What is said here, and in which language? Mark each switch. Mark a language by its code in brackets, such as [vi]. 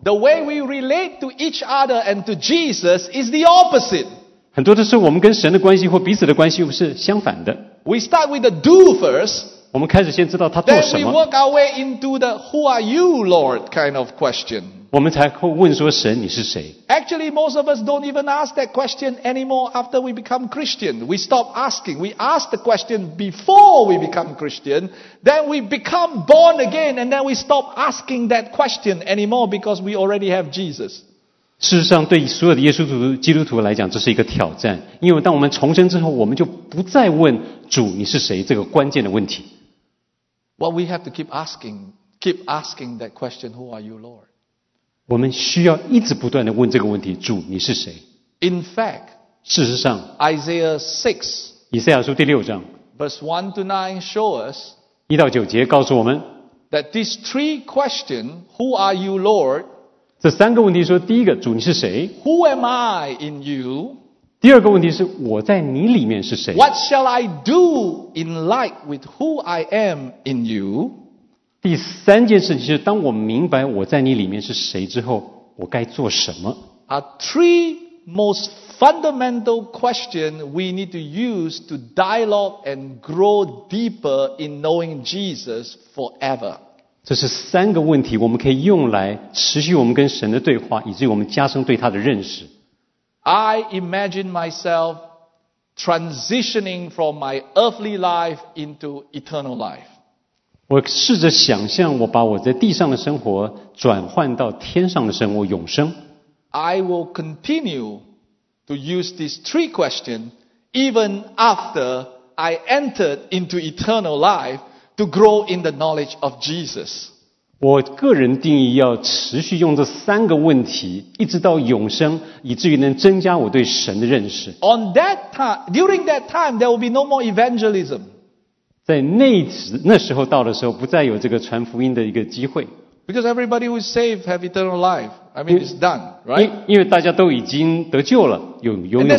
[en] the way we relate to each other and to Jesus is the opposite. [zh] 很多的时候我们跟神的关系或彼此的关系是相反的。 [en] We start with the do first. [zh] 我们开始先知道他做什么。 [en] Then we work our way into the who are you, Lord, kind of question. [zh] 我们才会问说神你是谁。 [en] Actually, most of us don't even ask that question anymore after we become Christian. We stop asking. We ask the question before we become Christian. Then we become born again, and then we stop asking that question anymore because we already have Jesus. [zh] 事实上，对所有的耶稣基督徒来讲，这是一个挑战。因为当我们重生之后，我们就不再问主你是谁这个关键的问题。 [en] Well, we have to keep asking that question, Who are you, Lord? [zh] 我们需要一直不断地问这个问题，主你是谁？ [en] In fact, [zh] 事实上 [en] Isaiah 6, [zh] 以赛亚书第六章 [en] verse 1 to 9 show us, [zh] 一到九节告诉我们 [en] that these three questions, who are you, Lord? [zh] 这三个问题说，第一个，主你是谁？ [en] Who am I in you? [zh] 第二个问题是，我在你里面是谁？ [en] What shall I do in light with who I am in you? [zh] 第三件事情是，当我明白我在你里面是谁之后，我该做什么？ [en] Are three most fundamental questions we need to use to dialogue and grow deeper in knowing Jesus forever. [zh] 这是三个问题，我们可以用来持续我们跟神的对话，以至于我们加深对他的认识。 [en] I imagine myself transitioning from my earthly life into eternal life. [zh] 我试着想象我把我在地上的生活转换到天上的生活永生。 [en] I will continue to use these three questions even after I entered into eternal life to grow in the knowledge of Jesus. [zh] 我个人定义要持续用这三个问题一直到永生，以至于能增加我对神的认识。 [en] On that time, during that time, there will be no more evangelism. [zh] 在那时候到的时候，不再有这个传福音的一个机会。 [en] Because everybody who is saved have eternal life. I mean, it's done, right? [zh] 因为大家都已经得救了，有永生了。